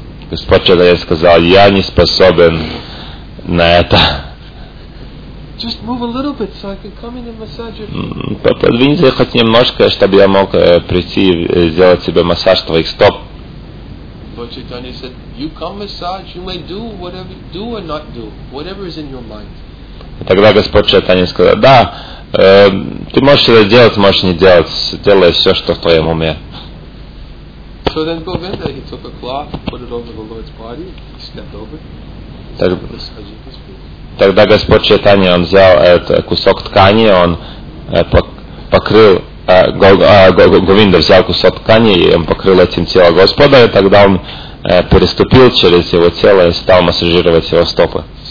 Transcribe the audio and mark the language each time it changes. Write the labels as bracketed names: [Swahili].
[Russian] Господь Чайтанья сказал: я не способен на это. [English] Just move a little bit so I can come in and massage your feet. [Russian] Подвинься хоть немножко, чтобы я мог прийти и сделать себе массаж твоих стоп. [English] Lord Chaitanya said, you come massage, you may do whatever, do or not do, whatever is in your mind. [Russian] Тогда Господь Чайтанья сказал: да, ты можешь это делать, можешь не делать, делай все, что в твоем уме. [English] So then Govinda, he took a cloth, put it over the Lord's body, he stepped over. [Russian] Тогда Господь Чайтанья, он взял этот кусок ткани, он покрыл, Говинда взял кусок ткани, и он покрыл этим тело Господа, и тогда он переступил через его тело и стал массажировать его стопы.